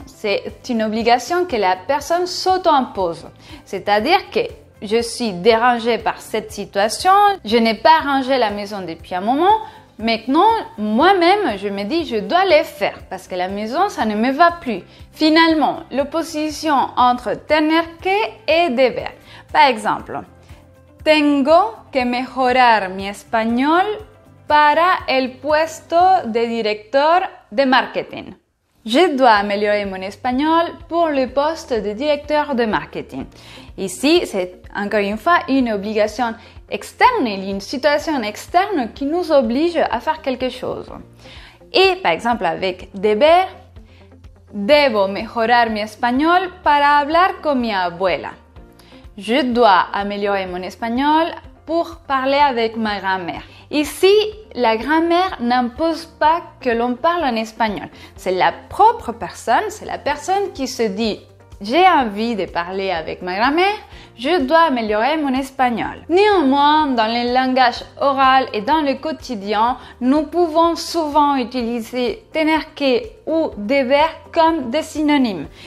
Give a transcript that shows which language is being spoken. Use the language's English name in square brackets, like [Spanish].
[French] C'est une obligation que la personne s'auto-impose. C'est-à-dire que je suis dérangée par cette situation. Je n'ai pas rangé la maison depuis un moment. Maintenant, moi-même, je me dis, je dois le faire parce que la maison, ça ne me va plus. Finalement, l'opposition entre tener que et deber. Par exemple, [Spanish] tengo que mejorar mi español para el puesto de director de marketing. [French] Je dois améliorer mon espagnol pour le poste de directeur de marketing. Ici, c'est encore une fois une obligation externe, il y a une situation externe qui nous oblige à faire quelque chose. Et par exemple avec [Spanish] deber, debo mejorar mi español para hablar con mi abuela. [French] Je dois améliorer mon espagnol pour parler avec ma grand-mère. Ici, la grammaire n'impose pas que l'on parle en espagnol. C'est la propre personne, c'est la personne qui se dit « J'ai envie de parler avec ma grammaire, je dois améliorer mon espagnol. » Néanmoins, dans le langage oral et dans le quotidien, nous pouvons souvent utiliser « tener que » ou « deber » comme des synonymes.